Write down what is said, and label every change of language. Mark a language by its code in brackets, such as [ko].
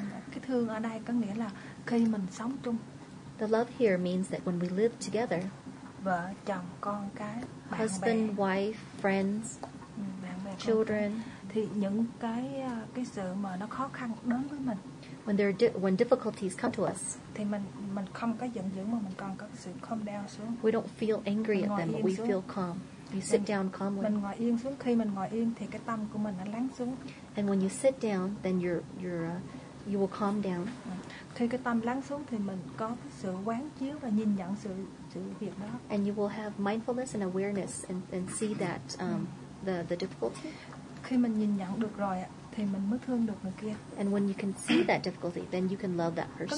[vi] Cái thương ở đây có nghĩa là khi mình sống chung. [en] The love here means that when we live together. [vi] Vợ chồng con cái. [en] Husband, wife, friends, children. [vi] Thì những cái sự mà nó khó khăn đến với mình. [en] When there are when difficulties come to us. [vi] Thì mình không có giận dữ mà mình còn có sự [en] calm down [vi] xuống. [en] We don't feel angry at them, but we feel calm. We sit down calmly. [vi] Mình ngồi yên xuống, khi mình ngồi yên thì cái tâm của mình nó lắng xuống. [en] And when you sit down, then you will calm down. [vi] Khi cái tâm lắng xuống thì mình có cái sự quán chiếu và nhìn nhận sự việc đó. [en] And you will have mindfulness and awareness and see that the difficulty. [vi] Khi mình nhìn nhận được rồi thì mình mới thương được người kia. [en] And when you can see that difficulty, then you can love that person.